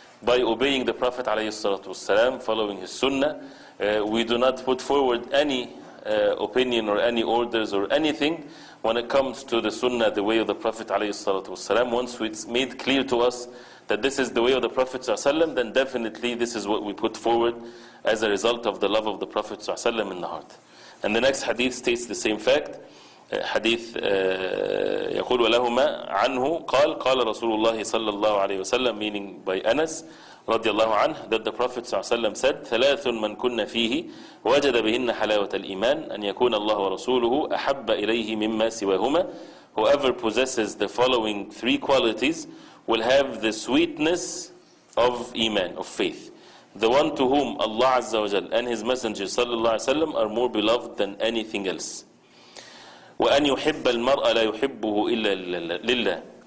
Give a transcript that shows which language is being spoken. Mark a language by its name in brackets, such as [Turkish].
[English] By obeying the Prophet ﷺ, following his sunnah, we do not put forward any opinion or any orders or anything when it comes to the sunnah, the way of the Prophet ﷺ. Once it's made clear to us that this is the way of the Prophet ﷺ, then definitely this is what we put forward as a result of the love of the Prophet ﷺ in the heart. And the next hadith states the same fact. [Arabic] حديث يقول ولهما عنه قال قال رسول الله صلى الله عليه وسلم, [English] meaning by Anas [Arabic] رضي الله عنه, [English] that the Prophet [Arabic] صلى الله عليه وسلم [English] said, [Arabic] ثلاث من كنا فيه وجد بهن حلاوة الإيمان أن يكون الله ورسوله أحب إليه مما سواهما. [English] Whoever possesses the following three qualities will have the sweetness of iman, of faith. The one to whom Allah عز وجل and His Messenger صلى الله عليه وسلم are more beloved than anything else. [Arabic] وَأَنْ يُحِبَّ الْمَرْأَ لَا يُحِبُّهُ إِلَّا لِلَّهِ.